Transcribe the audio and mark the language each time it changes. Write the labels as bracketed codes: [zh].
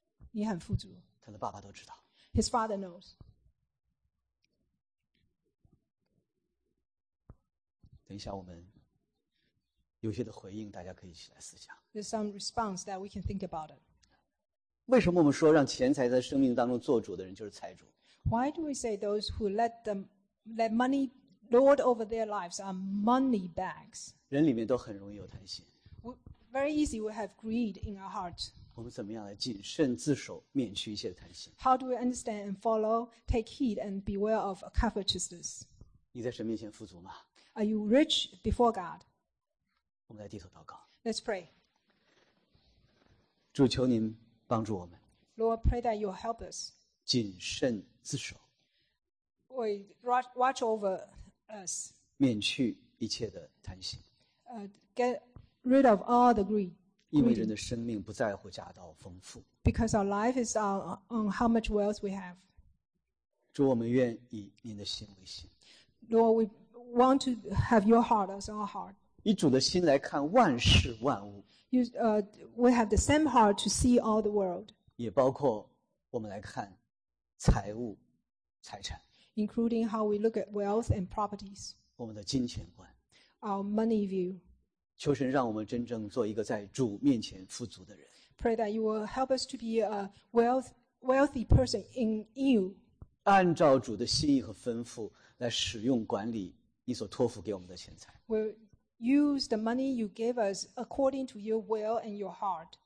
[zh] 你很富足。他的爸爸都知道。 [en] His father knows. [zh] 等一下，我们有些的回应，大家可以起来思想。 [en] There's some response that we can think about it. [zh] 为什么我们说让钱财在生命当中做主的人就是财主 [en] ？Why do we say those who let money Lord over their lives are money bags. [zh] 人里面都很容易有贪心。 [en] very easy we have greed in our heart. [zh] 我们怎么样来谨慎自守，免去一切的贪心 [en] ？How do we understand and follow, take heed and beware of covetousness? [zh] 你在神面前富足吗 [en] ？Are you rich before God? [zh] 我们来低头祷告。 [en] Let's pray. [zh] 主，求您帮助我们。 [en] Lord, pray that you help us. [zh] 谨慎自守。 [en] We watch over us. [zh] 免去一切的贪心。 [en] Get rid of all the greed. [zh] 因为人的生命不在乎家道丰富。 [en] Because our life is on how much wealth we have. [zh] 主，我们愿以您的心为心。 [en] Lord, we want to have your heart as our heart. [zh] 以主的心来看万事万物。 [en] We have the same heart to see all the world. [zh] 也包括我们来看财物、财产。 [en] Including how we look at wealth and properties. [zh] 我们的金钱观。 [en] Our money view. [zh] 求神让我们真正做一个在主面前富足的人。 [en] Pray that you will help us to be a wealthy person in you. [zh] 按照主的心意和吩咐来使用管理你所托付给我们的钱财。 [en] We'll use the money you gave us according to your will and your heart.